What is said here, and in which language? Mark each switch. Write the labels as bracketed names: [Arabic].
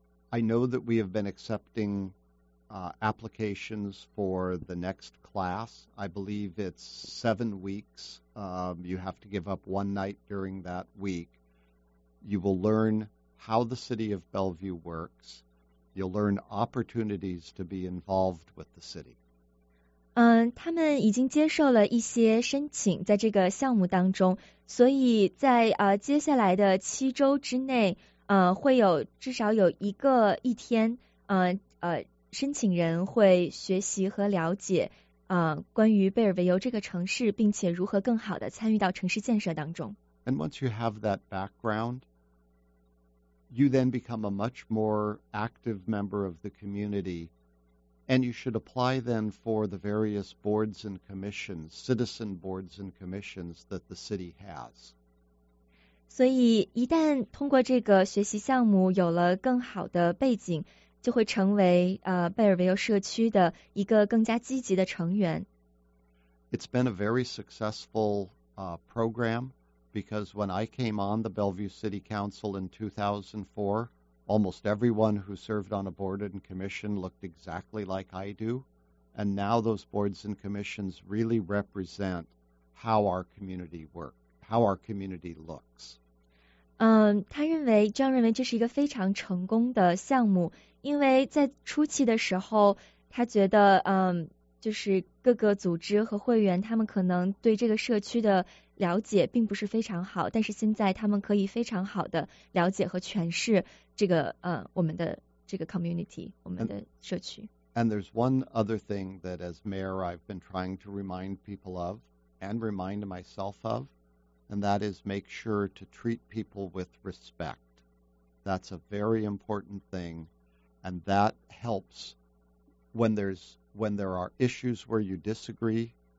[English] I know that we have been accepting applications for the next class. I believe it's 7 weeks. You have to give up one night during that week. You will learn how the city of Bellevue works. You'll learn opportunities to be involved with the city. [Chinese] 他们已经接受了一些申请在这个项目当中，所以在接下来的七周之内，会有至少有一个一天，申请人会学习和了解关于贝尔维尤这个城市，并且如何更好的参与到城市建设当中。 [English] And once you have that background, you then become a much more active member of the community, and you should apply then for the various boards and commissions, citizen boards and commissions that the city has. [Chinese] 所以一旦通过这个学习项目有了更好的背景，就会成为贝尔维尤社区的一个更加积极的成员。 [English] It's been a very successful program, because when I came on the Bellevue City Council in 2004, almost everyone who served on a board and commission looked exactly like I do, and now those boards and commissions really represent how our community works, how our community looks. [Chinese] 他认为，张认为这是一个非常成功的项目，因为在初期的时候，他觉得，就是各个组织和会员，他们可能对这个社区的了解并不是非常好，但是现在他们可以非常好的了解和诠释这个我们的这个 community, 我们的社区。 [English] And there's one other thing that as mayor I've been trying to remind people of and remind myself of, and that is make sure to treat people with respect. That's a very important thing, and that helps when there are issues where you disagree.